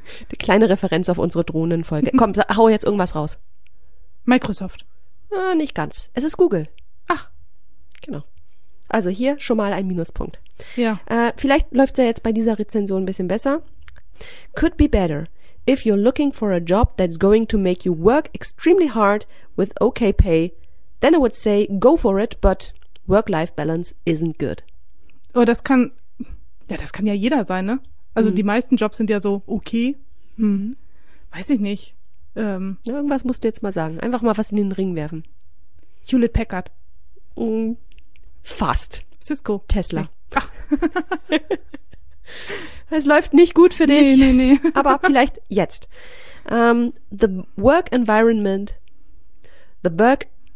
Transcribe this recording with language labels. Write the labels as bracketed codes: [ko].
[de] Die kleine Referenz auf unsere Drohnenfolge. Komm, hau jetzt irgendwas raus. Microsoft. Nicht ganz. Es ist Google. Ach. Genau. Also hier schon mal ein Minuspunkt. Ja. Vielleicht läuft es ja jetzt bei dieser Rezension ein bisschen besser. [en] Could be better. If you're looking for a job that's going to make you work extremely hard with okay pay, then I would say, go for it, but work-life balance isn't good. [de] Oh, das kann ja jeder sein, ne? Also die meisten Jobs sind ja so okay. Hm. Weiß ich nicht. Irgendwas musst du jetzt mal sagen. Einfach mal was in den Ring werfen. Hewlett Packard. Fast. Cisco. Tesla. Es läuft nicht gut für dich. Nee. Aber vielleicht jetzt. [en] The work environment, the work.